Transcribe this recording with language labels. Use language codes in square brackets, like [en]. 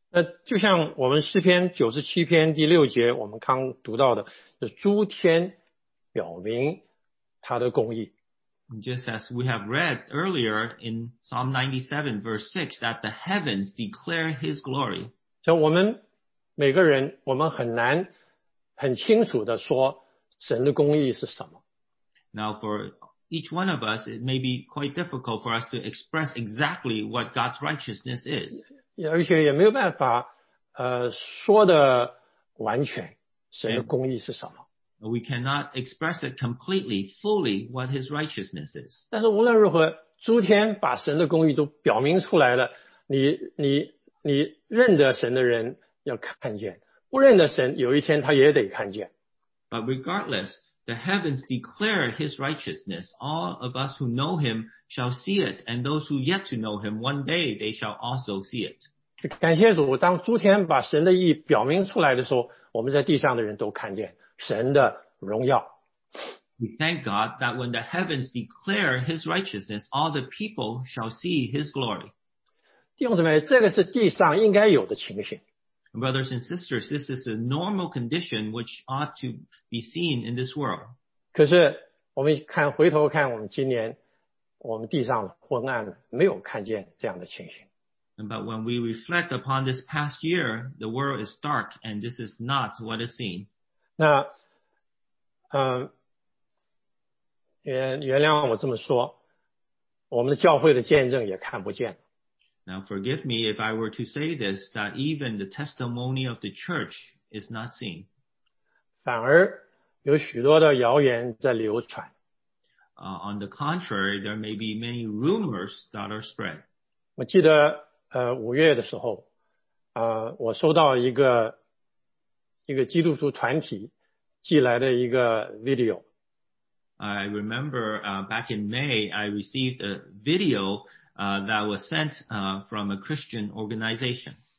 [zh] 那就像我们诗篇97篇第六节我们刚读到的，就是诸天表明他的公义。 [en] Just as we have read earlier in Psalm 97 verse 6, that the heavens declare his glory. [zh] 就我们每个人，我们很难很清楚地说神的公义是什么。 [en] Now for each one of us, it may be quite difficult for us to express exactly what God's righteousness is. [zh] 而且也没有办法说得完全神的公义是什么。 [en] We cannot express it completely, fully, what his righteousness is. [zh] 但是无论如何，诸天把神的公义都表明出来了，你认得神的人要看见，不认得神有一天他也得看见。 [en] But regardless, the heavens declare his righteousness. All of us who know him shall see it, and those who yet to know him, one day they shall also see it. [zh] 感谢主，当诸天把神的义表明出来的时候，我们在地上的人都看见神的荣耀。 [en] We thank God that when the heavens declare his righteousness, all the people shall see his glory. [zh] 弟兄姊妹，这个是地上应该有的情形。 [en] Brothers and sisters, this is a normal condition which ought to be seen in this world. [zh] 可是我们看回头看我们今年，我们地上昏暗了，没有看见这样的情形。 [en] But when we reflect upon this past year, the world is dark and this is not what is seen. [zh] 那原谅我这么说，我们的教会的见证也看不见。 [en] Now forgive me if I were to say this, that even the testimony of the church is not seen. [zh] 反而有许多的谣言在流传。 [en] On the contrary, there may be many rumors that are spread. [zh] 我记得五月的时候我收到一个基督徒团体寄来的一个 video。 [en] I remember back in May, I received a video that was sent from a Christian organization.